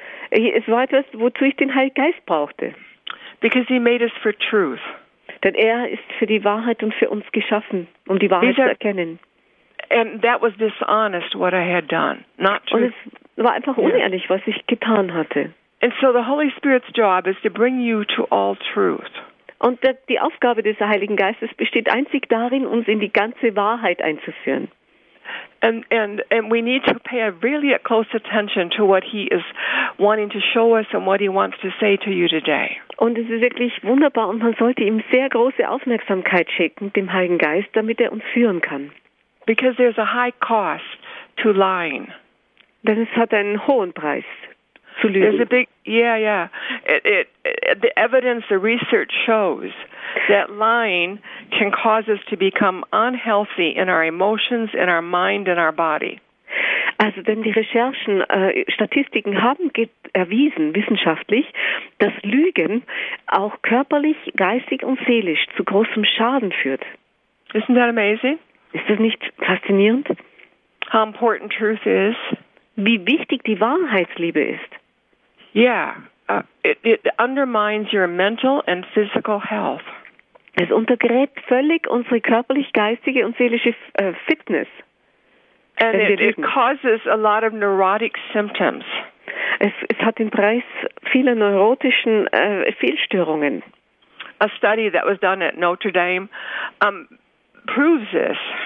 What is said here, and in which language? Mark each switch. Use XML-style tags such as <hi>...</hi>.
<de>Es war etwas, wozu ich den Heiligen Geist brauchte.</de> <en>Because He made us for truth.</en> <de>Denn er ist für die Wahrheit und für uns geschaffen, um die Wahrheit zu erkennen.</de> <en>And that was dishonest what I had done, not truth.</en> <de>Und es war einfach unehrlich, was ich getan hatte.</de> <en>And so the Holy Spirit's job is to bring you to all truth.</en> <de>Und die Aufgabe des Heiligen Geistes besteht einzig darin, uns in die ganze Wahrheit einzuführen.</de> <en>And we need to pay a really a close attention to what He is wanting to show us and what He wants to say to you today.</en> <de>Und es ist wirklich wunderbar, und man sollte ihm sehr große Aufmerksamkeit schenken, dem Heiligen Geist, damit er uns führen kann.</de> <en>Because there's a high cost to lying.</en> <de>Denn es hat einen hohen Preis. Zu lügen.</de> <en>There's a big, yeah. The evidence, the research shows that lying can cause us to become unhealthy in our emotions, in our mind, in our body.</en> <de>Also, denn die Recherchen, Statistiken haben erwiesen, wissenschaftlich, dass Lügen auch körperlich, geistig und seelisch zu großem Schaden führt.</de> <en>Isn't that amazing?</en> <de>Ist das nicht faszinierend?</de> <en>how important truth is.</en> <de>Wie wichtig die Wahrheitsliebe ist.</de> <en>Yeah, it undermines your mental and physical health.</en> <de>Es untergräbt völlig unsere körperlich, geistige und seelische Fitness.</de> <en>And it causes a lot of neurotic symptoms.</en> <de>Es hat den Preis vieler neurotischen Fehlstörungen.</de> <en>A study that was done at Notre Dame proves this.</en>